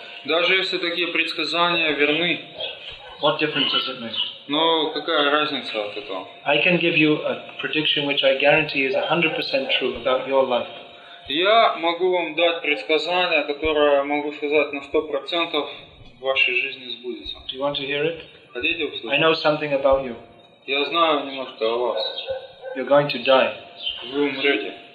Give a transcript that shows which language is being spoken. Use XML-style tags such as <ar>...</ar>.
<ru>даже если такие предсказания верны,</ru> <en>what difference does it make?</en> <ru>Но какая разница от этого?</ru> <en>I can give you a prediction which I guarantee is 100% true about your life.</en> <ru>Я могу вам дать предсказание, которое могу сказать на 100% в вашей жизни сбудется.</ru> <en>Do you want to hear it?</en> <ru>Хотите услышать?</ru> <en>I know something about you.</en> <ru>Я знаю немножко о вас.</ru> <en>You're going to die.</en> <ru>Вы умрете.</ru>